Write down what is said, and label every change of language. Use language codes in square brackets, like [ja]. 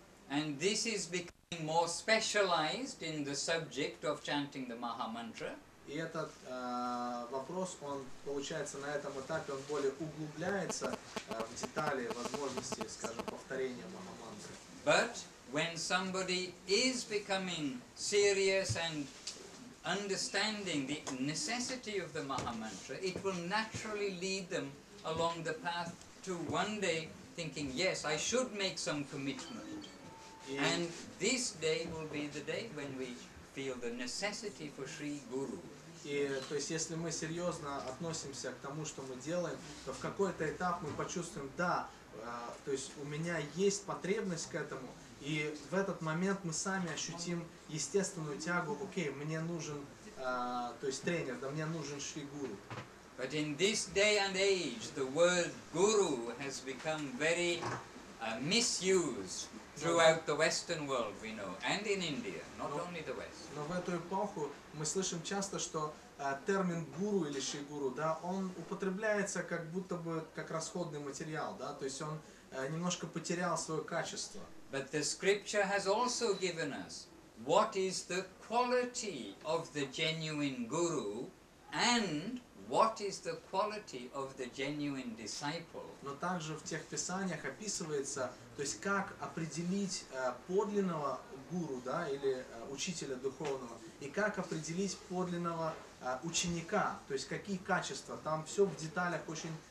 [en] And this is becoming more specialized in the subject of chanting the Mahamantra. [ru] И этот вопрос, он получается на этом этапе, он более углубляется в детали возможности, скажем, повторения Махамантры. [en] But when somebody is becoming serious and understanding the necessity of the Mahamantra, it will naturally lead them along the path to one day thinking, yes, I should make some commitment. And this day will be the day when we feel the necessity for Sri Guru. [ru] И, то есть, если мы серьезно относимся к тому, что мы делаем, то в какой-то этап мы почувствуем, да, то есть, у меня есть потребность к этому, и в этот момент мы сами ощутим естественную тягу, окей, мне нужен, то есть, тренер, да, мне нужен Шри Гуру. [en] But in this day and age, the word guru has become very misused throughout the Western world, we know, and in India, not only the West. [ru] Но в эту эпоху мы слышим часто, что термин гуру или шигуру, да, он употребляется как будто бы как расходный материал, да, то есть он немножко потерял свое качество. [en] But the scripture has also given us what is the quality of the genuine guru and what is the quality of the genuine disciple. [ru] Но также в тех писаниях описывается, то есть как определить подлинного гуру, да, или учителя духовного, и как определить подлинного ученика, то есть какие качества, там все в деталях очень